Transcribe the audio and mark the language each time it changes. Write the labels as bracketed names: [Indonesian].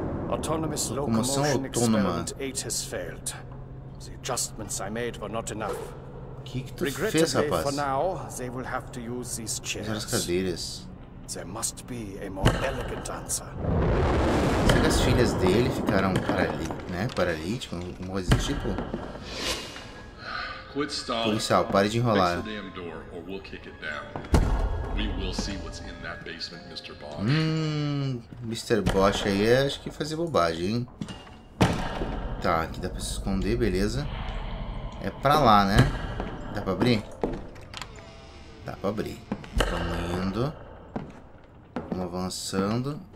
[English] Autonomous locomotion experiment 8 has failed. The adjustments I made were not enough. [Portuguese] Que tu fez, rapaz? [English] For now, they will have to use these chairs. [Portuguese] Usar as cadeiras. [English] There must be a more elegant answer. [Portuguese] Será que as filhas dele ficaram paralíticas, né? Alguma coisa desse tipo? [English] Quit stalling. [Portuguese] Policial, pare de enrolar. [English] Fix the damn door, or we'll kick it down. We will see what's in that basement, Mr. Bosch. Mr. [Portuguese] Bosch aí é, acho que fazer bobagem, hein? Tá, aqui dá pra se esconder, beleza. É pra lá, né? Dá pra abrir? Dá pra abrir. Vamos indo. Vamos avançando.